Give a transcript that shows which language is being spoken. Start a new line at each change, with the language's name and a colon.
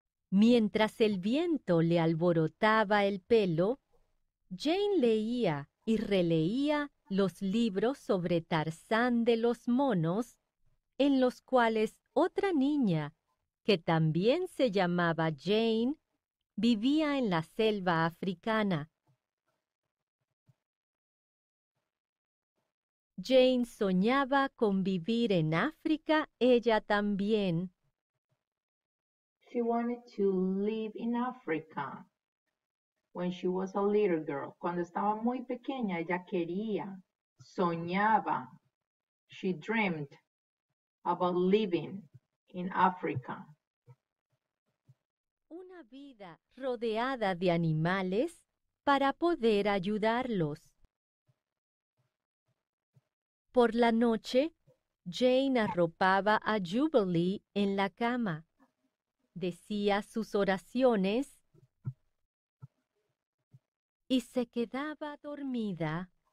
Spanish: Mientras el viento le alborotaba el pelo, Jane leía y releía los libros sobre Tarzán de los monos, en los cuales otra niña, que también se llamaba Jane, vivía en la selva africana. Jane soñaba con vivir en África ella también.
English: She wanted to live in Africa when she was a little girl.
Spanish: Cuando estaba muy pequeña, ella quería, soñaba.
English: She dreamed about living in Africa.
Spanish: Una vida rodeada de animales para poder ayudarlos. Por la noche, Jane arropaba a Jubilee en la cama. Decía sus oraciones y se quedaba dormida.